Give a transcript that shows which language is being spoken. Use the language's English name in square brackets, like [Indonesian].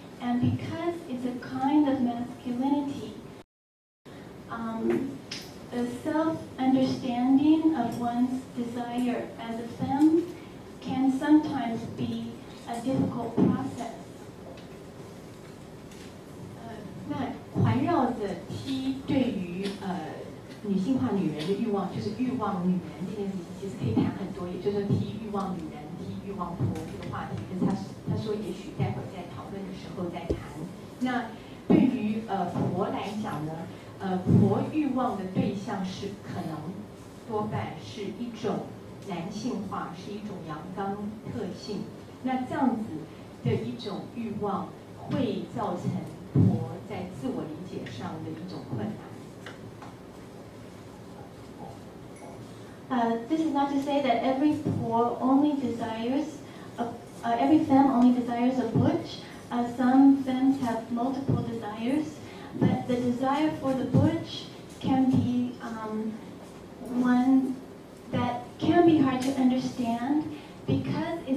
[English] And because it's a kind of masculinity,the self-understanding of one's desire as a femme can sometimes be a difficult process. [Chinese] 那环绕着 T 对于女性化女人的欲望，就是欲望女人这件事情，其实可以谈很多，也就是 T 欲望女人、T 欲望婆这个话题。可是他说，也许待会儿在讨论的时候再谈。那对于婆来讲呢？婆欲望的对象是可能多半是一种男性化，是一种阳刚特性。那这样子的一种欲望会造成婆在自我理解上的一种困难。 [English] This is not to say that every poor only desires, every femme only desires a butch. Some femmes have multiple desires. But the desire for the butch can be one that can be hard to understand because